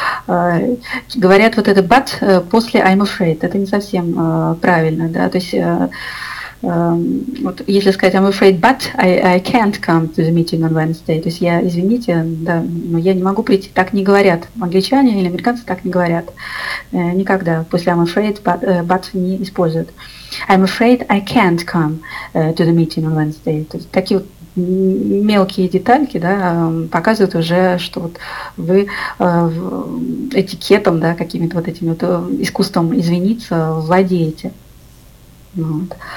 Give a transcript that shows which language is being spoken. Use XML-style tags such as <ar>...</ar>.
<ru>Говорят вот это but после I'm afraid. Это не совсем правильно, да. То есть вот если сказать</ru> <en>I'm afraid, but I can't come to the meeting on Wednesday.</en> <ru>То есть я, извините, да, но я не могу прийти. Так не говорят. Англичане или американцы так не говорят. Никогда после I'm afraid, but не используют.</ru> <en>I'm afraid I can't come to the meeting on Wednesday.</en> <ru>То есть такие вот мелкие детальки, да, показывают уже, что вот вы этикетом, да, какими-то вот этими вот искусством извиниться владеете. Вот.</ru>